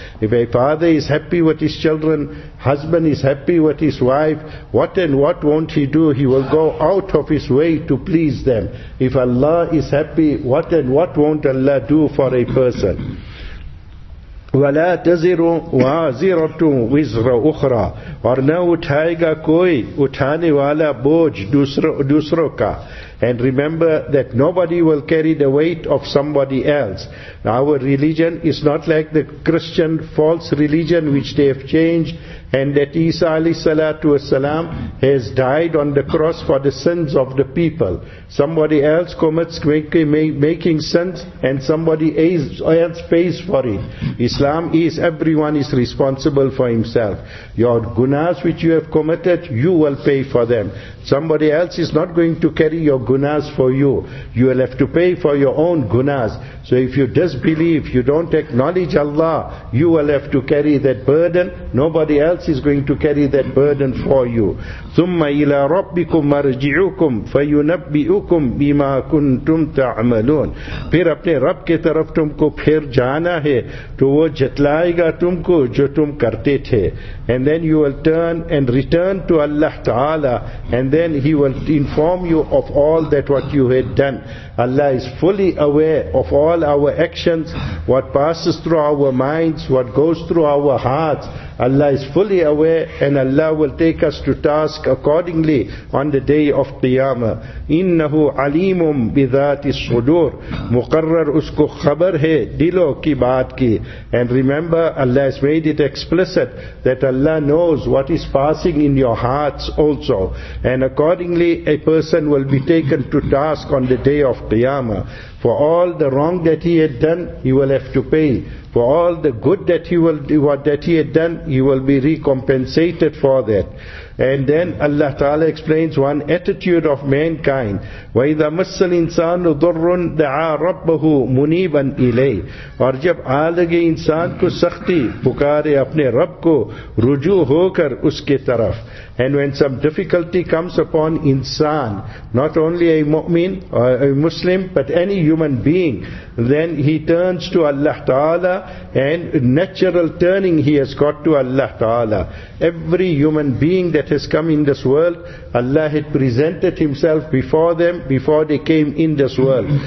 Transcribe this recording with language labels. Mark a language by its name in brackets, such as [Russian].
[English] If a father is happy with his children, husband is happy with his wife, what and what won't he do? He will go out of his way to please them. If Allah is happy, what and what won't Allah do for a person? [Arabic] وَلَا تَزِرُ وَازِرَةٌ وِزْرَ أُخْرَى. [Urdu] اور نہ اٹھائے گا کوئی اٹھانے والا بوجھ دوسروں کا. [English] And remember that nobody will carry the weight of somebody else. Our religion is not like the Christian false religion which they have changed, and that Isa alayhi salatu wasalam has died on the cross for the sins of the people. Somebody else commits making sins and somebody else pays for it. Islam is everyone is responsible for himself. Your gunas which you have committed, you will pay for them. Somebody else is not going to carry your gunas for you. You will have to pay for your own gunas. So if you disbelieve, you don't acknowledge Allah, you will have to carry that burden. Nobody else is going to carry that burden for you. [Arabic] ثُمَّ إِلَىٰ رَبِّكُمْ مَرْجِعُكُمْ فَيُنَبِّئُكُمْ بِمَا كُنْتُمْ تَعْمَلُونَ. [Urdu] پھر اپنے رب کے طرف تم کو پھر جانا ہے تو وہ جتلائے گا تم کو جو تم کرتے تھے. [English] And then you will turn and return to Allah Ta'ala, and then He will inform you of all that what you had done. Allah is fully aware of all our actions, what passes through our minds, what goes through our hearts. Allah is fully aware, and Allah will take us to task accordingly on the day of Qiyamah. [Arabic] Innahu alimum bidhati sudur, [Urdu] muqarrar usko khabar hai dilo ki baat ki. [English] And remember, Allah has made it explicit that Allah knows what is passing in your hearts also. And accordingly, a person will be taken to task on the day of Qiyamah. For all the wrong that he had done, he will have to pay. For all the good that he will do, that he had done, he will be recompensated for that. And then Allah Ta'ala explains one attitude of mankind. [Arabic] وَإِذَا مَسَّ الْإِنسَانُ ضُرٌّ دَعَى رَبَّهُ مُنِيبًا إِلَيْهِ [Urdu] اور جب آ لگے انسان کو سختی پکارے اپنے رب کو رجوع ہو کر اس کے طرف. [English] And when some difficulty comes upon insan, not only a mu'min or a Muslim, but any human being, then he turns to Allah Ta'ala, and natural turning he has got to Allah Ta'ala. Every human being that has come in this world, Allah had presented himself before them, before they came in this world.